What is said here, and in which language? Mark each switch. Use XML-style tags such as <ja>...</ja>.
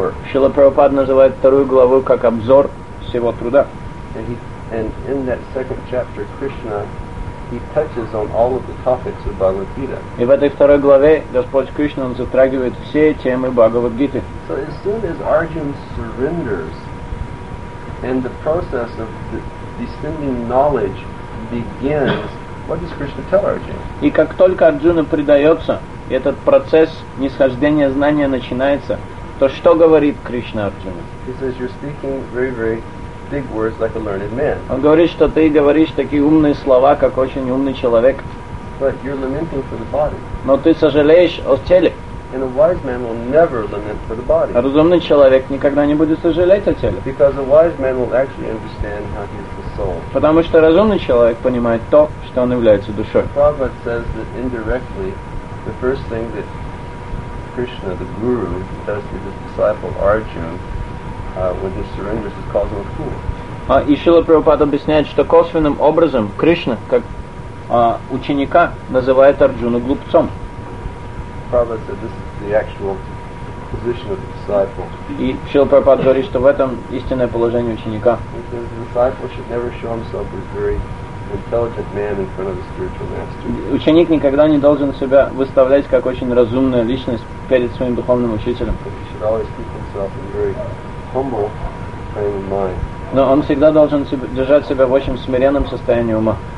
<ru>Шрила Прабхупада называет вторую главу как обзор всего труда.</ru> <en>And in that second chapter, Krishna, he touches on all of the topics of Bhagavad Gita.</en> <ru>И в этой второй главе Господь Кришна затрагивает все темы Бхагавад Гиты.</ru> <en>So as soon as Arjun surrenders and the process of the descending knowledge begins, what does Krishna tell Arjun?</en> <ru>И как только Арджуна предается, и этот процесс нисхождения знания начинается, то что говорит Кришна Арджуне?</ru> <en>He says, you're speaking very, very big words like a learned man.</en> <ru>Он говорит, что ты говоришь такие умные слова, как очень умный человек.</ru> <en>But you're lamenting for the body.</en> <ru>Но ты сожалеешь о теле.</ru> <en>And a wise man will never lament for the body.</en> <ru>Разумный человек никогда не будет сожалеть о теле.</ru> <en>Because a wise man will actually understand how he is the soul.</en> <ru>Потому что разумный человек понимает то, что он является душой.</ru> <en>Prabhupada says that indirectly, the first thing that Krishna, the guru, does to his disciple Arjuna, when he surrenders, is calls him a fool.</en> <ru>И Шрила Прабхупада объясняет, что косвенным образом Кришна, как ученика, называет Арджуну глупцом.</ru> <en>Prabhupada said this is the actual position of the disciple.</en> <ru>И Шрила Прабхупада говорит, что в этом истинное положение ученика.</ru> <en>He says the disciple should never show himself as very intelligent man in front of the spiritual master.</en> <ru>Ученик никогда не должен себя выставлять как очень разумная личность перед своим духовным учителем.</ru> <en>He should always keep himself in very humble frame of mind.</en> <ru>Но он всегда должен держать себя в очень смиренном состоянии ума.</ru>